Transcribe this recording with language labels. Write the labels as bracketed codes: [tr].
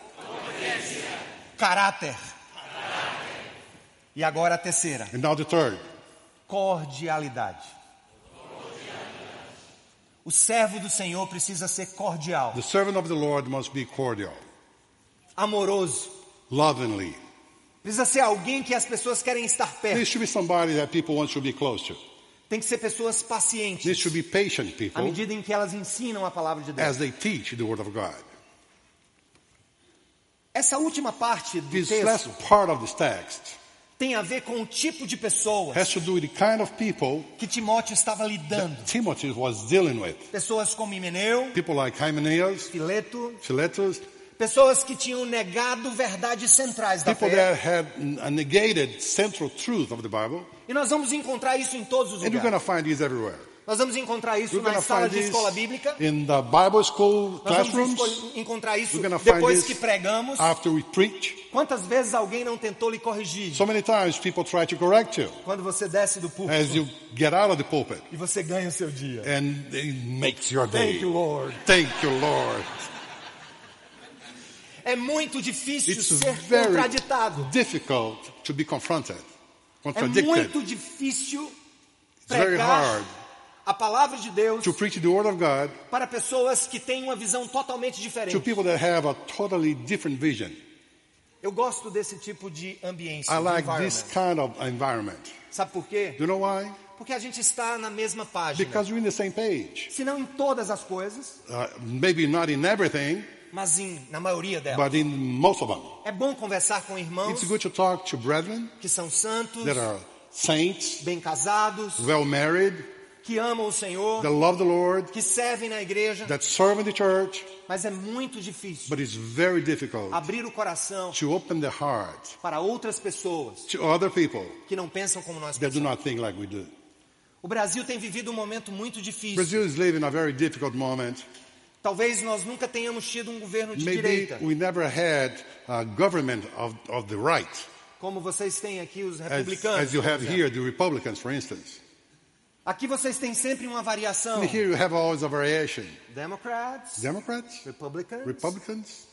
[pt] Competência. Caráter. Caráter. E agora a terceira. [en] And now the third. [pt] Cordialidade. O servo do Senhor precisa ser cordial. [en] The servant of the Lord must be cordial. [pt] Amoroso. [en] Lovingly. [pt] Precisa ser alguém que as pessoas querem estar perto. [en] This should be somebody that people want to be close to. [pt] Tem que ser pessoas pacientes. [en] This should be patient people. [pt] À medida em que elas ensinam a palavra de Deus. [en] As they teach the word of God. [pt] Essa última parte do [en] this [pt] texto. [en] This last part of this text. [pt] Tem a ver com o tipo de pessoas. [en] Has to do with the kind of people. [pt] Que Timóteo estava lidando. [en] That Timothy was dealing with. [pt] Pessoas como Himeneu. [en] People like Hymenaeus. [pt] Fileto. [en] Philetus. [pt] Pessoas que tinham negado verdades centrais da fé. [en] People that had negated central truth of the Bible. [pt] E nós vamos encontrar isso em todos os lugares. [en] And we're going to find this everywhere. [pt] Nós vamos encontrar isso na sala de escola bíblica. [en] In the Bible school classrooms. [pt] Nós vamos encontrar isso depois que pregamos. [en] After we preach. [pt] Quantas vezes alguém não tentou lhe corrigir? [en] So many times people try to correct you. [pt] Quando você desce do púlpito. [en] As you get out of the pulpit. [pt] E você ganha o seu dia. [en] And it makes your day. Thank you, Lord. Thank you, Lord. [pt] É muito difícil [en] It's [pt] ser contraditado. [en] It's very difficult to be confronted. [pt] É muito difícil pregar a palavra de Deus [en] to preach the word of God [pt] para pessoas que têm uma visão totalmente diferente. [en] To people that have a totally different vision. [pt] Eu gosto desse tipo de ambiente. [en] I like this kind of environment. [pt] Sabe por quê? [en] Do you know why? [pt] Porque a gente está na mesma página. [en] Because we're in the same page. [pt] Se não em todas as coisas. [en] Maybe not in everything. [pt] Mas em, na maioria delas. [en] But in most of them. [pt] É bom conversar com irmãos. [en] It's good to talk to brethren. [pt] Que são santos. [en] That are saints. [pt] Bem casados. [en] Well married. [pt] Que amam o Senhor. [en] That love the Lord. [pt] Que servem na igreja. [en] That serve in the church. [pt] Mas é muito difícil. [en] But it's very difficult. [pt] Abrir o coração. [en] To open the heart. [pt] Para outras pessoas. [en] To other people. [pt] Que não pensam como nós [en] that That do not think like we do. [pt] O Brasil tem vivido um momento muito difícil. [en] Brazil is living a very difficult moment. [pt] Talvez nós nunca tenhamos tido um governo de [en] Maybe [pt] direita. [en] We never had a government of the right. [pt] Como vocês têm aqui os republicanos. [en] As you have here the Republicans, for instance. [pt] Aqui vocês têm sempre uma variação. [en] And here you have always a variation. Democrats. Democrats. Republicans. Republicans.